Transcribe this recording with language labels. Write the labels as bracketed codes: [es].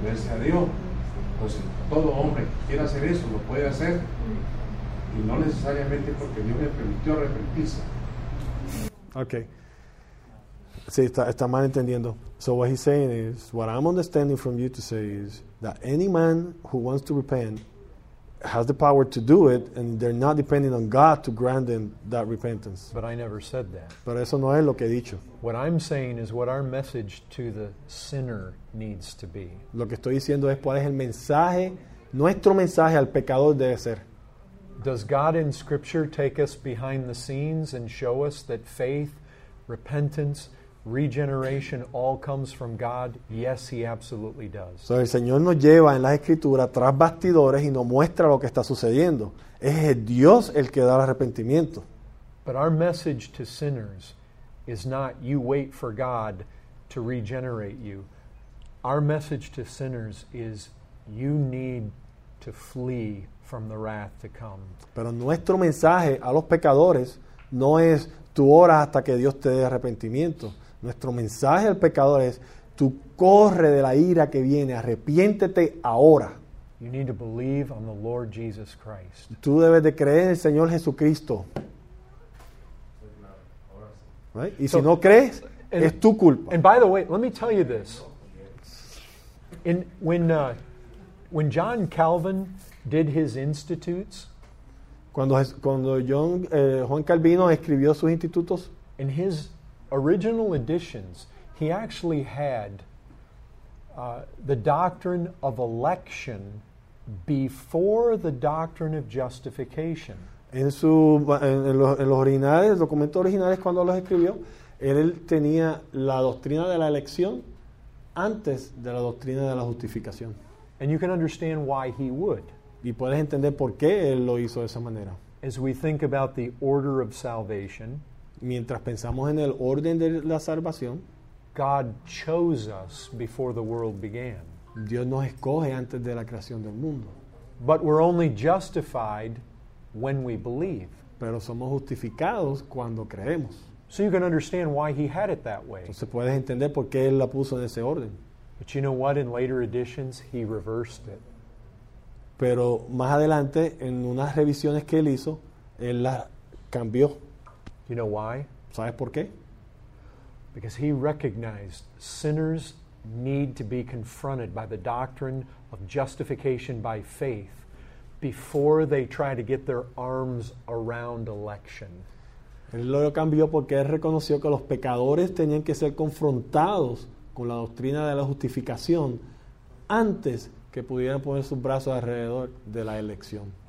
[es] Entonces, todo hombre que quiera hacer eso lo puede hacer, y no necesariamente porque Dios le permitió arrepentirse. Okay. Sí, está mal entendiendo. [en] So what he's saying is, what I'm understanding from you to say is that any man who wants to repent has the power to do it, and they're not depending on God to grant them that repentance. But I never said that. [es] Pero eso no es lo que he dicho. [en] What I'm saying is what our message to the sinner needs to be. [es] Lo que estoy diciendo es cuál es el mensaje, nuestro mensaje al pecador debe ser. [en] Does God in Scripture take us behind the scenes and show us that faith, repentance, regeneration all comes from God? Yes, he absolutely does. [es] So el Señor nos lleva en las escrituras tras bastidores y nos muestra lo que está sucediendo. Es el Dios el que da el arrepentimiento. [en] But our message to sinners is not you wait for God to regenerate you. Our message to sinners is you need to flee from the wrath to come. [es] Pero nuestro mensaje a los pecadores no es tu hora hasta que Dios te dé arrepentimiento. Nuestro mensaje al pecador es tú corre de la ira que viene, arrepiéntete ahora. [en] You need to believe on the Lord Jesus Christ. [es] Tú debes de creer en el Señor Jesucristo. [en] Right? [es] Y so, si no crees, and, es tu culpa. [en] And by the way, let me tell you this. When John Calvin did his institutes, [es] Juan Calvino escribió sus institutos, [en] in his original editions, he actually had the doctrine of election before the doctrine of justification. [es] En los originales, documentos originales, cuando los escribió, él tenía la doctrina de la elección antes de la doctrina de la justificación. [en] And you can understand why he would. [es] Y puedes entender por qué él lo hizo de esa manera. [en] As we think about the order of salvation, [es] mientras pensamos en el orden de la salvación, [en] God chose us before the world began. [es] Dios nos escoge antes de la creación del mundo. [en] But we're only justified when we believe. [es] Pero somos justificados cuando creemos. [en] So you can understand why he had it that way. [es] Entonces puedes entender por qué él la puso en ese orden. [en] But you know what? In later editions, he reversed it. [es] Pero más adelante, en unas revisiones que él hizo, él la cambió. [en] You know why? [es] ¿Sabes por qué? [en] Because he recognized sinners need to be confronted by the doctrine of justification by faith before they try to get their arms around election. [es] Él lo cambió porque él reconoció que los pecadores tenían que ser confrontados con la doctrina de la justificación antes que pudieran poner sus brazos alrededor de la elección.